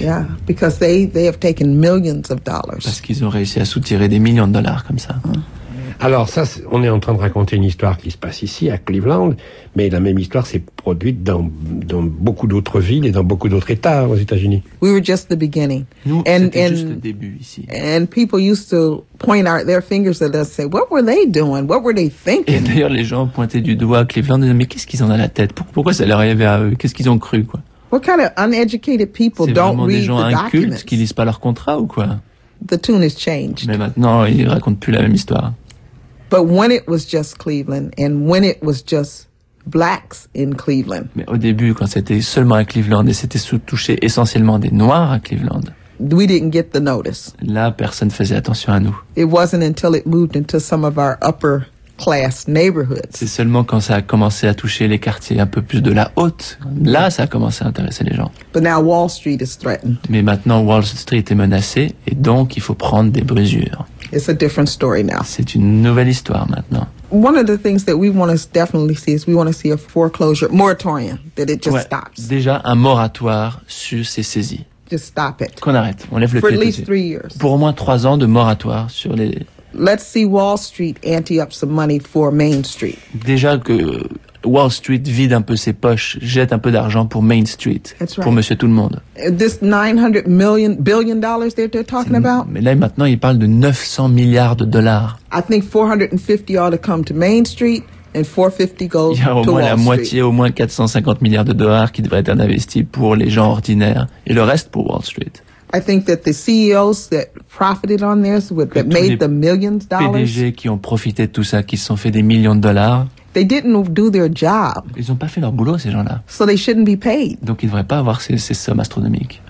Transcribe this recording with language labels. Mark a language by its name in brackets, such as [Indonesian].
[English] Yeah, because they have taken millions of dollars. [French] Parce qu'ils ont réussi à soutirer des millions de dollars comme ça. Alors, ça, on est en train de raconter une histoire qui se passe ici, à Cleveland, mais la même histoire s'est produite dans beaucoup d'autres villes et dans beaucoup d'autres États aux États-Unis. [English] We were just the beginning. [French] C'était juste le début ici. [English] And people used to point their fingers at us and say, what were they doing? What were they thinking? [French] Et d'ailleurs, les gens pointaient du doigt à Cleveland et disaient, mais qu'est-ce qu'ils ont dans la tête? Pourquoi ça leur arrivait à eux? Qu'est-ce qu'ils ont cru, quoi? [English] What kind of uneducated people [French] c'est [English] don't read the documents? [French] vraiment des gens incultes qui lisent pas leur contrat ou quoi? [English] The tune has changed. [French] Mais maintenant, ils racontent plus la même histoire. [English] But when it was just Cleveland, and when it was just blacks in Cleveland. [French] Mais au début, quand c'était seulement à Cleveland, et c'était sous touché essentiellement des noirs à Cleveland. [English] We didn't get the notice. [French] Là, personne faisait attention à nous. [English] It wasn't until it moved into some of our upper class neighborhoods. [French] C'est seulement quand ça a commencé à toucher les quartiers un peu plus de la haute. Là, ça a commencé à intéresser les gens. [English] But now Wall Street is threatened. [French] Mais maintenant, Wall Street est menacée, et donc il faut prendre des mesures. [English] It's a different story now. [French] C'est une nouvelle histoire maintenant. [English] One of the things that we want to definitely see is we want to see a foreclosure moratorium that it just stops. [French] Déjà un moratoire sur ces saisies. [English] Just stop it. [French] Qu'on arrête, on lève le pied. [English] For at least 3 years. [French] Pour au moins 3 ans de moratoire sur les. [English] Let's see Wall Street ante up some money for Main Street. [French] Déjà que Wall Street vide un peu ses poches, jette un peu d'argent pour Main Street, [English] right. [French] Pour Monsieur Tout-le-Monde. [English] This 900 million, billion dollars they're talking about. [French] Mais là, maintenant, ils parlent de 900 milliards de dollars. [English] I think 450 ought to come to Main Street and 450 go to Wall Street. [French] Il y a au moins la moitié, au moins 450 milliards de dollars qui devraient être investis pour les gens ordinaires et le reste pour Wall Street. [English] I think that the CEOs that profited on this, that made the millions dollars. [French] PDG qui ont profité de tout ça, qui se sont fait des millions de dollars. [English] They didn't do their job. [French] Ils n'ont pas fait leur boulot, ces gens-là. [English] So they shouldn't be paid. [French] Donc, ils ne devraient pas avoir ces sommes astronomiques.